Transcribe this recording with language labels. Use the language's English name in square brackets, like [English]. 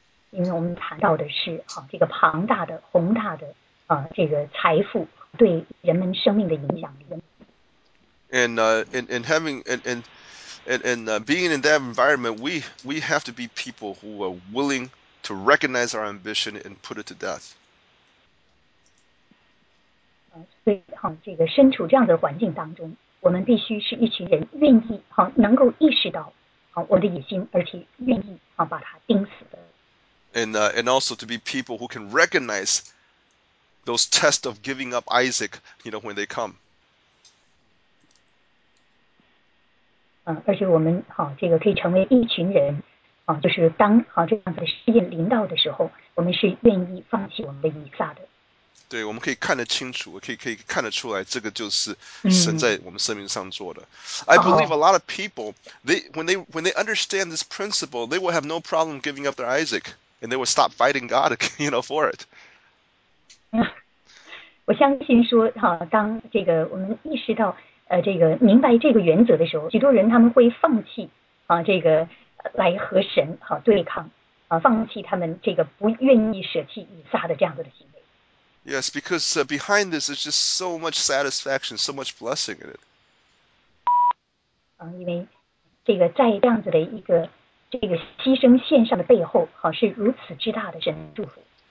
[Chinese] 因为我们谈到的是这个庞大的、宏大的这个财富。对人们生命的影响力。 [English] And having and being in that environment, we have to be people who are willing to recognize our ambition and put it to death. [Chinese] 所以这个身处这样的环境当中，我们必须是一群人愿意能够意识到我的野心，而且愿意把它钉死的。 [English] And also to be people who can recognize those tests of giving up Isaac, when they come. [Chinese] 而且我们这个可以成为一群人就是当这样的试验临到的时候，我们是愿意放弃我们的以撒的。对，我们可以看得清楚，可以看得出来，这个就是神在我们生命上做的。 [English] I believe a lot of people, when they understand this principle, they will have no problem giving up their Isaac, and they will stop fighting God, for it. [Chinese] 我相信说当这个我们意识到这个明白这个原则的时候，许多人他们会放弃这个来和神对抗放弃他们这个不愿意舍弃以撒的这样子的行为。 [English] Yes, because behind this is just so much satisfaction, so much blessing in it. [Chinese] 因为这个在这样子的一个这个牺牲献上的背后是如此之大的神祝福。